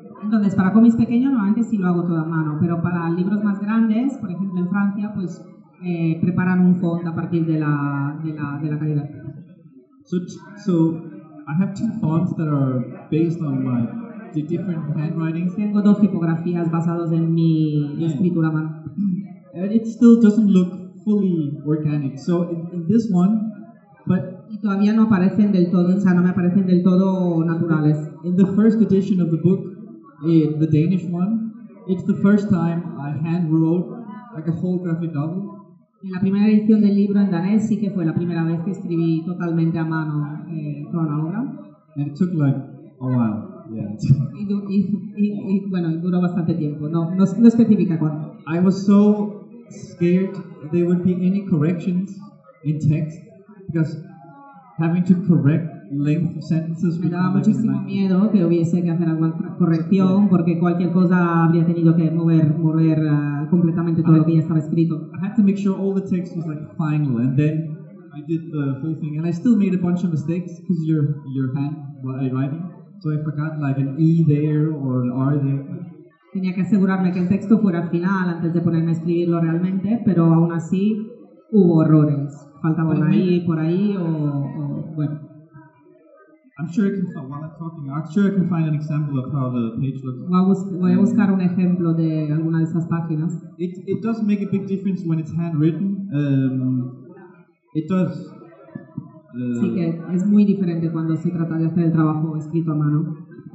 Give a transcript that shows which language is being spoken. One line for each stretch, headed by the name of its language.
Spanish: Entonces, para cómics pequeños normalmente sí lo hago todo a mano, pero para libros más grandes, por ejemplo en Francia, pues preparan un font a partir de la caligrafía.
English: So I have two fonts that are based on the different handwritings.
Spanish: Tengo dos tipografías basadas en mi escritura a mano.
English: And it still doesn't look fully organic. So in this one, but
Spanish: y todavía no aparecen del todo, o sea, no me aparecen del todo naturales.
English: In the first edition of the book, in the Danish one, it's the first time I hand wrote like a whole graphic novel.
Spanish: En la primera edición del libro en danés sí que fue la primera vez que escribí totalmente a mano toda la obra.
English: And it took like a while. Yeah.
Spanish: Y bueno, duró bastante tiempo. No especifica cuánto.
English: I was so scared there would be any corrections in text because having to correct length of sentences.
Spanish: Me daba muchísimo miedo que hubiese que hacer alguna corrección porque cualquier cosa habría tenido que mover completamente todo lo que ya estaba escrito.
English: I had to make sure all the text was like final, and then I did the whole thing, and I still made a bunch of mistakes because your hand while writing, so I forgot like an E there or an R there.
Spanish: Tenía que asegurarme que el texto fuera final antes de ponerme a escribirlo realmente, pero aún así hubo errores. faltaban ahí por ahí o bueno.
English: I'm sure I can find while I'm talking. I'm sure I can find an example of how the page looks.
Spanish: Voy a buscar un ejemplo de alguna de esas páginas.
English: It does make a big difference when it's handwritten. It does.
Spanish: Sí que es muy diferente cuando se trata de hacer el trabajo escrito a mano.